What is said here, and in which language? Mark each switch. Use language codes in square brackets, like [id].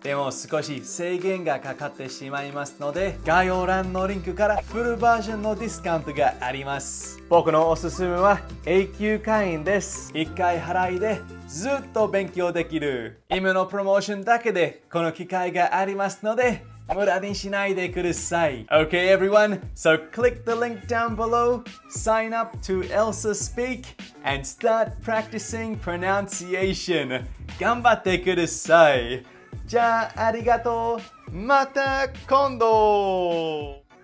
[ja] でも少し制限がかかってしまいますので、概要欄のリンクからフルバージョンのディスカウントがあります。僕のおすすめは永久会員です。一回払いでずっと勉強できる。今のプロモーションだけでこの機会がありますので、無駄にしないでください。 [en] Okay, everyone. So click the link down below, sign up to ELSA Speak, and start practicing pronunciation. [ja] 頑張ってください。じゃあ、ありがとう。また今度。